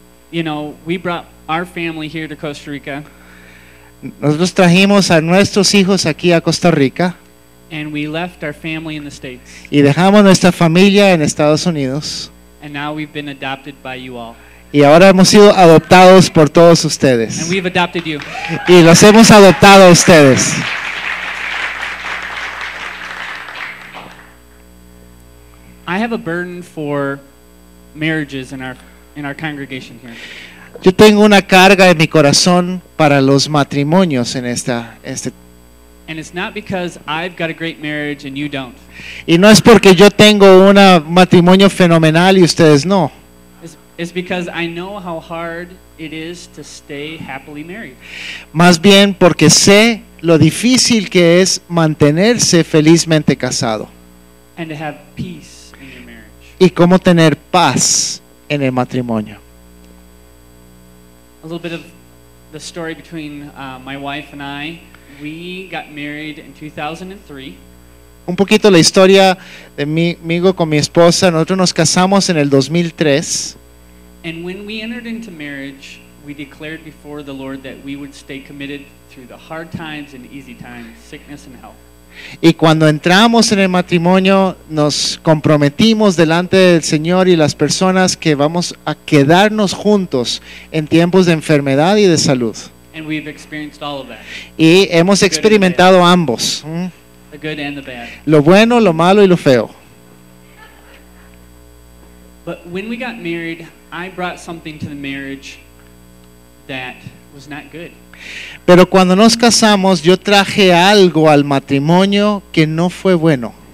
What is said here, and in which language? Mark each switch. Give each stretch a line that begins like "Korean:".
English: You know, we brought our family here to Costa Rica.
Spanish: Nosotros trajimos a nuestros hijos aquí a Costa Rica.
English: And we left our family in the States.
Spanish: Y dejamos nuestra familia en Estados Unidos.
English: And now we've been adopted by you all.
Spanish: Y ahora hemos sido adoptados por todos ustedes.
English: And we've adopted you.
Spanish: Y los hemos adoptado a ustedes.
English: I have a burden for marriages in our congregation here.
Spanish: Yo tengo una carga en mi corazón para los matrimonios en este.
English: And it's not because I've got a great marriage and you don't.
Spanish: Y no es porque yo tengo un matrimonio fenomenal y ustedes no.
English: It's because I know how hard it is to stay happily married.
Spanish: Más bien porque sé lo difícil que es mantenerse felizmente casado.
English: And to have peace.
Spanish: Y cómo tener paz en el matrimonio.
English: A little bit of the story between my wife and I. We got married in 2003.
Spanish: Un poquito la historia de mi amigo con mi esposa. Nosotros nos casamos en el 2003.
English: And when we entered into marriage, we declared before the Lord that we would stay committed through the hard times and easy times, sickness and health.
Spanish: Y cuando entramos en el matrimonio, nos comprometimos delante del Señor y las personas que vamos a quedarnos juntos en tiempos de enfermedad y de salud.
English: And we've experienced all of that.
Spanish: Y hemos experimentado ambos.
English: The good and the bad.
Spanish: Lo bueno, lo malo y lo feo.
English: But when we got married, I brought something to the marriage that was not good.
Spanish: Pero cuando nos casamos, yo traje algo al matrimonio que no fue bueno.